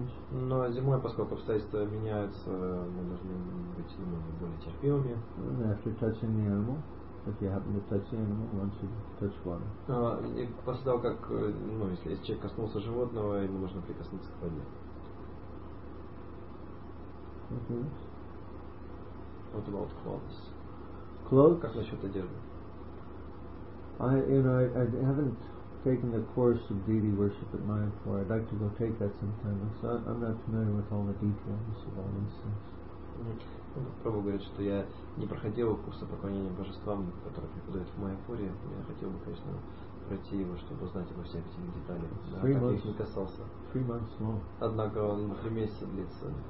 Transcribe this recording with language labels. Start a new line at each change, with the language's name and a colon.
Russian: Но зимой, поскольку обстоятельства меняются, мы должны быть немного более терпимыми.
English: After touching the animal, if you happen to touch the animal, one should touch water.
Russian: И после того, как, ну, если человек коснулся животного, ему нужно прикоснуться к воде.
English: What about cloths? Clothes?
Russian: Как насчет одежды?
English: I haven't taken the course of deity worship at Mayapur. I'd like to go take that sometime. So I'm not familiar with all the details of all these things.
Russian: Пробу говорит, что я не проходил курса поклонения божествам, который преподают в Майяпуре. Я хотел бы, конечно, пройти его, чтобы узнать обо всех этих деталях. Я их не касался.
English: Three months long.
Russian: Однако он 3 месяца длится.